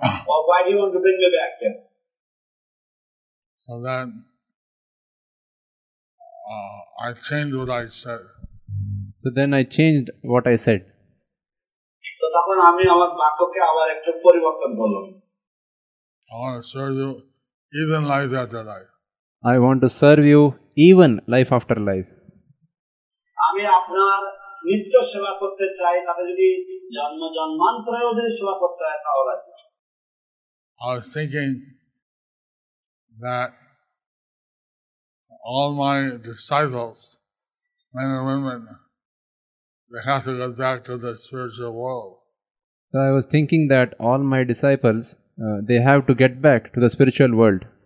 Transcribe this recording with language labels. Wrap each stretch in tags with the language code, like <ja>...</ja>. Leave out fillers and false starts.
<en>Or why do you want to bring me back here? So then I changed what I said. So then I changed what I said.</en> <bn>So তখন আমি আমার বাক্যকে আবার একটু পরিবর্তন করলাম.</bn> <en>I want to serve you even life after life. I want to serve you even life after life.</en> <bn>আমি আপনার নিত্য সেবা করতে চাই, তাতে যদি জন্ম জন্মান্তরেও যদি সেবা করতে হয় তাহলে চাই.</bn> <en>I was thinking that all my disciples, men and women, they have to get back to the spiritual world. So I was thinking that all my disciples, they have to get back to the spiritual world.</en>